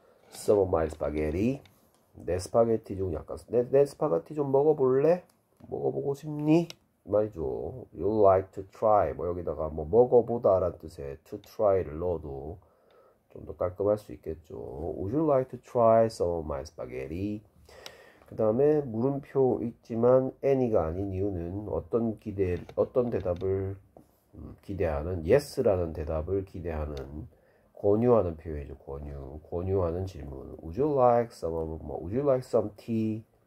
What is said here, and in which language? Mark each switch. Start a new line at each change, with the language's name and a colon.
English: Some of my spaghetti.
Korean: 내 스파게티 좀 약간 내 스파게티 좀 먹어볼래? 먹어보고 싶니? 말이죠.
English: You like to try.
Korean: 뭐 여기다가 뭐 먹어보다라는 뜻의 to try를 넣어도 좀더 깔끔할 수 있겠죠.
English: Would you like to try some of my spaghetti?
Korean: 그 다음에 물음표 있지만 any가 아닌 이유는 어떤 대답을 기대하는 yes라는 대답을 기대하는 권유하는 표현이죠. 권유하는 질문.
English: Would you like some of, would you like some tea?